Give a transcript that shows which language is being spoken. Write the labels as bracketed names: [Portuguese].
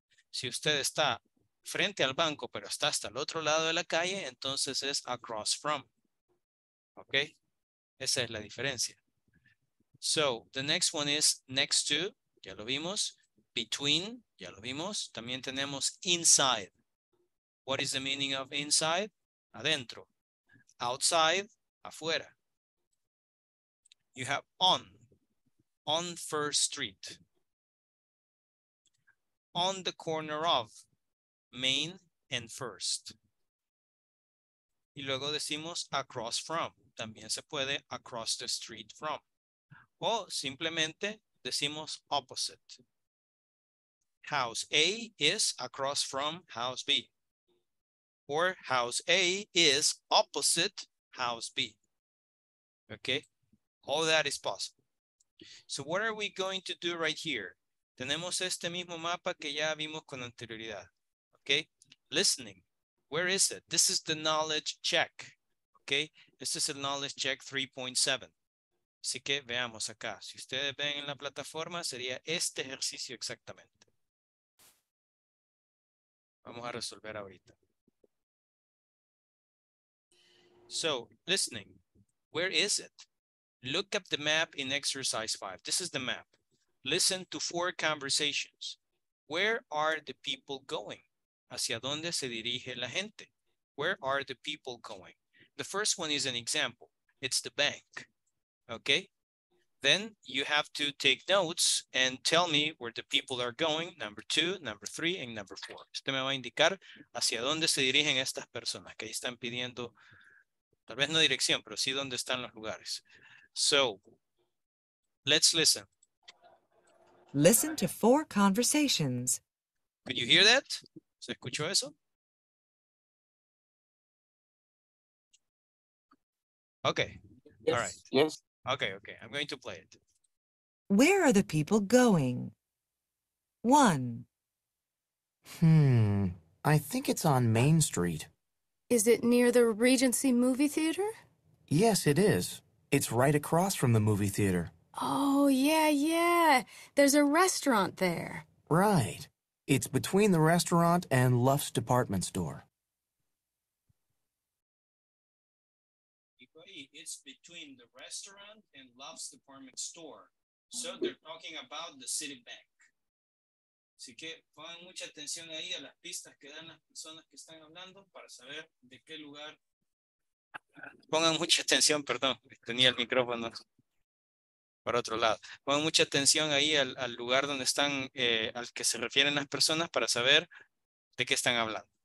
[Spanish] Si usted está frente al banco, pero está hasta el otro lado de la calle, entonces es [English] across from. [Spanish] ¿Ok? Esa es la diferencia. [English] So, the next one is next to, [Spanish] ya lo vimos. Between, ya lo vimos. También tenemos inside. [English] What is the meaning of inside? [Spanish] Adentro. [English] Outside, [Spanish] afuera. [English] You have on. On First Street. On the corner of Main and First. [Spanish] Y luego decimos across from. También se puede across the street from. O simplemente decimos opposite. [English] House A is across from house B. Or house A is opposite house B. Okay. All that is possible. So what are we going to do right here? [Spanish] Tenemos este mismo mapa que ya vimos con anterioridad. [English] Okay. Listening. Where is it? This is the knowledge check. Okay. This is the knowledge check 3.7. [Spanish] Así que veamos acá. Si ustedes ven en la plataforma, sería este ejercicio exactamente. Vamos a resolver ahorita. [English] So, listening. Where is it? Look up the map in exercise 5. This is the map. Listen to 4 conversations. Where are the people going? [Spanish] ¿Hacia dónde se dirige la gente? [English] Where are the people going? The first one is an example. It's the bank. Okay? Then you have to take notes and tell me where the people are going, number 2, number 3, and number 4. [Spanish] Usted me va a indicar hacia dónde se dirigen estas personas que están pidiendo, tal vez no dirección, pero sí dónde están los lugares. [English] So, let's listen. Listen to 4 conversations. Could you hear that? [Spanish] ¿Se escuchó eso? [English] Okay. Yes. All right. Yes. Okay, okay. I'm going to play it. Where are the people going? 1. I think it's on Main Street. Is it near the Regency movie theater? Yes, it is. It's right across from the movie theater. Oh, yeah, yeah. There's a restaurant there. Right. It's between the restaurant and Luff's department store. It's between the restaurant and Luff's department store. So they're talking about the Citibank. [Spanish] Así que pongan mucha atención ahí a las pistas que dan las personas que están hablando para saber de qué lugar. Pongan mucha atención, perdón, tenía el micrófono para otro lado. Pongan mucha atención ahí al lugar donde están, al que se refieren las personas para saber de qué están hablando.